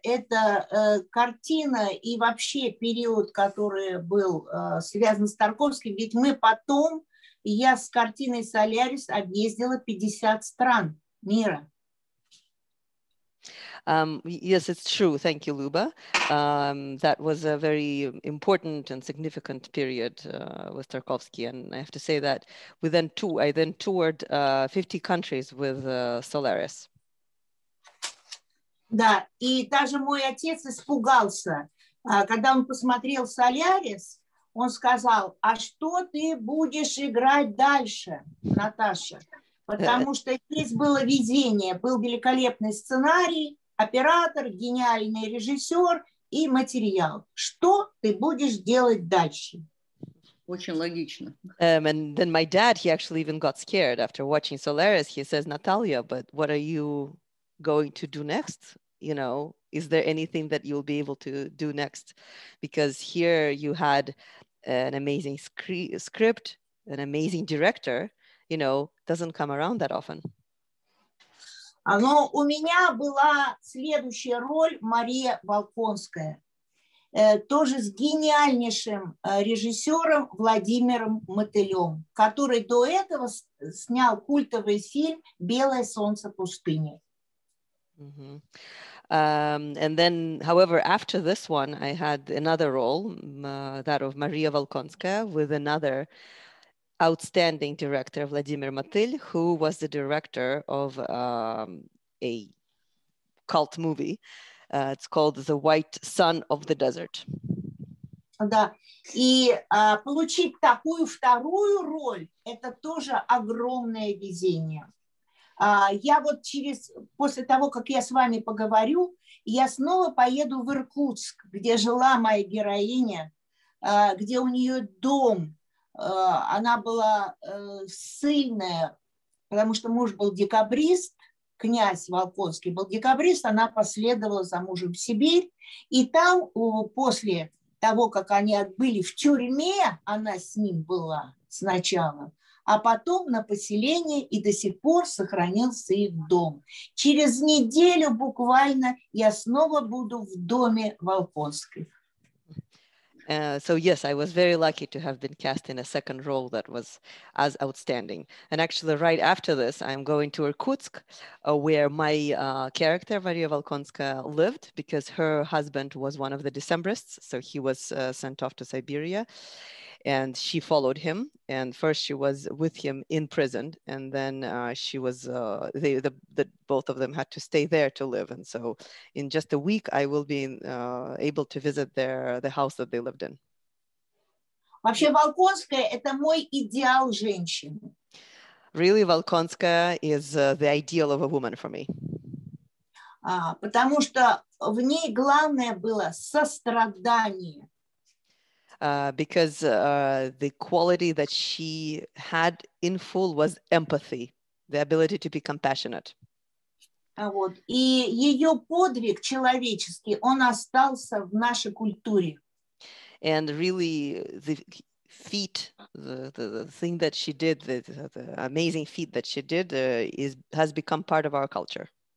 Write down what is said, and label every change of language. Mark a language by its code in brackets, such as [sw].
[ru] Это картина и вообще период, который был связан с Тарковским. Ведь мы потом, я с картиной «Солярис» объездила 50 стран мира. [en] Yes, it's true. Thank you, Люба. That was a very important and significant period with Tarkovsky. And I have to say that I then toured 50 countries with Solaris. [ru] Да, и даже мой отец испугался. Когда он посмотрел Solaris, он сказал, а что ты будешь играть дальше, Наташа? Потому что здесь было везение, был великолепный сценарий, оператор, гениальный режиссер и материал. Что ты будешь делать дальше? Очень логично. [en] And then my dad, he actually even got scared after watching Solaris. He says, Natalia, but what are you going to do next? You know, is there anything that you'll be able to do next? Because here you had an amazing script, an amazing director, you know, doesn't come around that often. [ru] Но у меня была следующая роль — Мария Волконская, тоже с гениальнейшим режиссером Владимиром Мотылем, который до этого снял культовый фильм «Белое солнце пустыни». [en] Mm-hmm. And then, however, after this one, I had another role, that of Мария Волконская, with another outstanding director, Владимир Мотыль, who was the director of a cult movie. It's called The White Sun of the Desert. [ru] Да, и получить такую вторую роль — это тоже огромное везение. Я вот после того, как я с вами поговорю, я снова поеду в Иркутск, где жила моя героиня, где у нее дом. Она была ссыльная, потому что муж был декабрист, князь Волконский был декабрист, она последовала за мужем в Сибирь. И там, после того, как они были в тюрьме, она с ним была сначала, а потом на поселении, и до сих пор сохранился их дом. Через неделю буквально я снова буду в доме Волконских. [en] So yes, I was very lucky to have been cast in a second role that was as outstanding. And actually, right after this, I'm going to Irkutsk, where my character, Maria Volkonska, lived, because her husband was one of the Decembrists. So he was sent off to Siberia, and she followed him. And first she was with him in prison, and then she was, both of them had to stay there to live. And so in just a week, I will be able to visit the house that they lived in. [ru] Вообще, Волконская – это мой идеал женщины. [en] Really, Волконская is the ideal of a woman for me. [ru] Потому что в ней главное было сострадание. [en] Because the quality that she had in full was empathy, the ability to be compassionate. [ru] Вот. И ее подвиг человеческий, он остался в нашей культуре. [en] And really, the feat, the thing that she did, the amazing feat that she did, has become part of our culture.